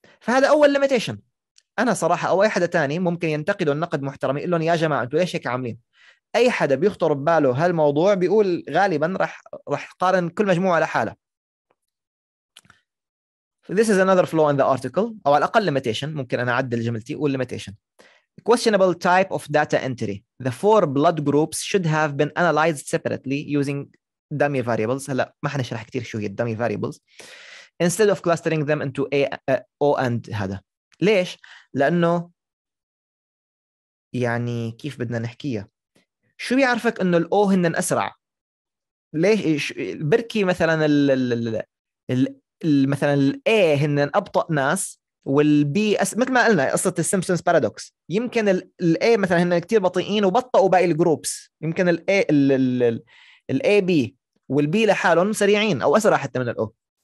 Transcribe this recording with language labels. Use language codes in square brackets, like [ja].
[ar] فهذا اول ليميتيشن. انا صراحه او اي حدا تاني ممكن ينتقدوا النقد محترم، يقول لهم يا جماعه انتوا ليش هيك عاملين. اي حدا بيخطر بباله هالموضوع بيقول غالبا رح قارن كل مجموعه لحالها. [en] This is another flaw in the article، [ar] او على الاقل ليميتيشن، ممكن انا اعدل جملتي اقول ليميتيشن. [en] Questionable type of data entry. The four blood groups should have been analyzed separately using dummy variables. [ar] هلا ما حنشرح كثير شو هي الدمي [en] variables instead of clustering them into A, O and [ar] هذا. ليش؟ لأنه يعني كيف بدنا نحكيها؟ شو بيعرفك إنه الأو هن أسرع؟ ليش؟ بركي مثلاً ال ال ال مثلاً الأ هن أبطأ ناس والبي مثل ما قلنا قصة السيمبسونز بارادوكس، يمكن الأ مثلاً هن كتير بطيئين وبطأوا باقي الجروبس، يمكن الأ الأ بي والبي لحالهم سريعين أو أسرع حتى من الأو.